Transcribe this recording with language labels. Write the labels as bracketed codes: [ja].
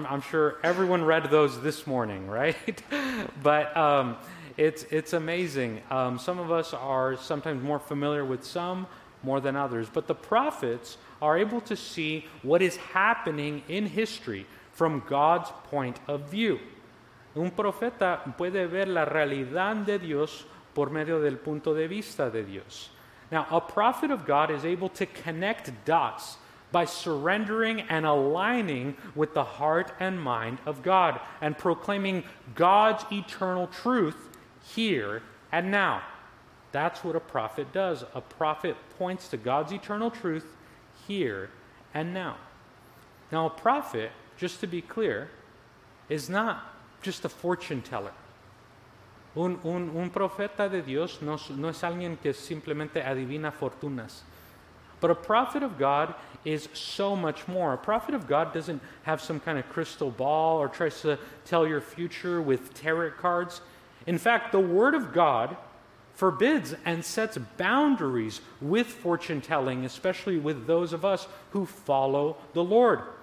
[en] I'm sure everyone read those this morning, right? But it's amazing. Some of us are sometimes more familiar with some more than others. But the prophets are able to see what is happening in history from God's point of view. [es] Un profeta puede ver la realidad de Dios por medio del punto de vista de Dios. [en] Now, a prophet of God is able to connect dots by surrendering and aligning with the heart and mind of God and proclaiming God's eternal truth here and now. That's what a prophet does. A prophet points to God's eternal truth here and now. Now, a prophet, just to be clear, is not just a fortune teller. [es] Un profeta de Dios no es alguien que simplemente adivina fortunas. [en] But a prophet of God is so much more. A prophet of God doesn't have some kind of crystal ball or tries to tell your future with tarot cards. In fact, the Word of God forbids and sets boundaries with fortune telling, especially with those of us who follow the Lord.